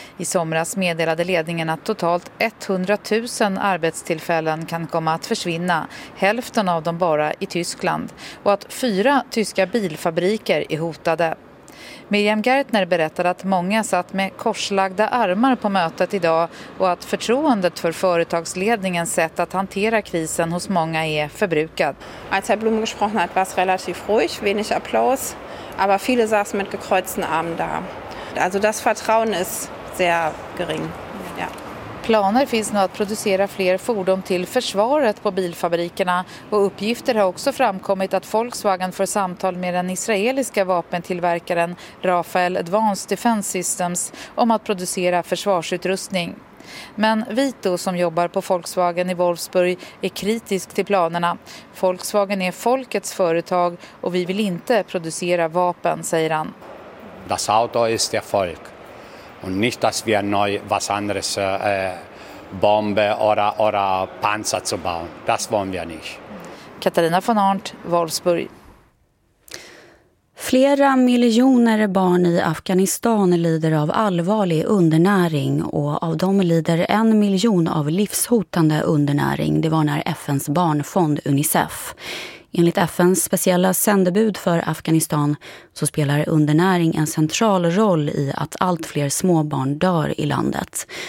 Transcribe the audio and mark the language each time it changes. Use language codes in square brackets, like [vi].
[sv] I somras meddelade ledningen att totalt 100 000 arbetstillfällen kan komma att försvinna, hälften av dem bara i Tyskland, och att fyra tyska bilfabriker är hotade. Miriam Gärtner berättade att många satt med korslagda armar på mötet idag och att förtroendet för företagsledningens sätt att hantera krisen hos många är förbrukad. [de] Als Herr Blum gesprochen hat, war es relativ ruhig, wenig Applaus, aber viele saßen mit gekreuzten Armen da. Also das Vertrauen ist sehr gering. Ja. [sv] Planer finns nu att producera fler fordon till försvaret på bilfabrikerna, och uppgifter har också framkommit att Volkswagen får samtal med den israeliska vapentillverkaren Rafael Advanced Defense Systems om att producera försvarsutrustning. Men Vito, som jobbar på Volkswagen i Wolfsburg, är kritisk till planerna. Volkswagen är folkets företag och vi vill inte producera vapen, säger han. [de] Das Auto ist der Volk. Und nicht, dass wir neu was anderes, Bombe oder Panzer zu bauen. Das wollen wir nicht. [sv] Katarina von Arndt, Wolfsburg. Flera miljoner barn i Afghanistan lider av allvarlig undernäring, och av dem lider 1 miljon av livshotande undernäring. Det var när FNs barnfond UNICEF. Enligt FNs speciella sändebud för Afghanistan så spelar undernäring en central roll i att allt fler småbarn dör i landet.